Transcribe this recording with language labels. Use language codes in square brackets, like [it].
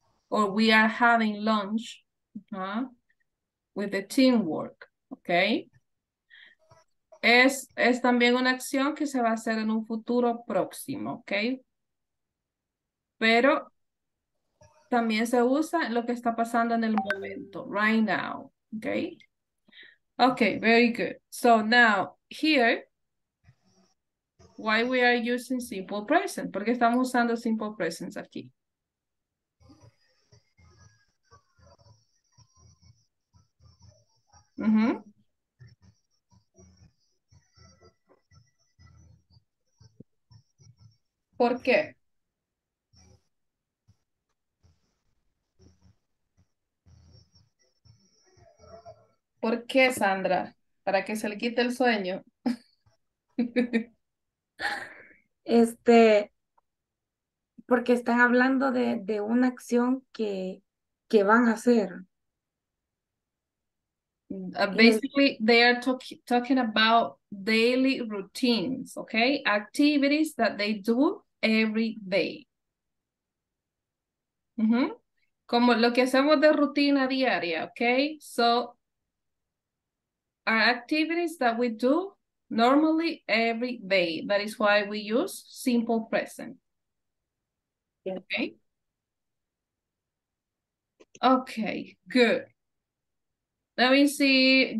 [en] Or we are having lunch with the teamwork, okay? [es] Es también una acción que se va a hacer en un futuro próximo, okay? Pero también se usa lo que está pasando en el momento, [en] right now, [es] okay? [en] Okay, very good. So now, here, why we are using simple present. [es] ¿Por qué estamos usando simple present aquí? Mm-hmm. ¿Por qué? ¿Por qué, Sandra? ¿Para que se le quite el sueño? Este, porque están hablando de una acción que van a hacer. [en] Basically, they are talking about daily routines, okay? Activities that they do every day. Mm-hmm. [es] Como lo que hacemos de rutina diaria, okay? [en] So, are activities that we do normally every day. That is why we use simple present. Yeah. Okay. Okay, good. Let me see.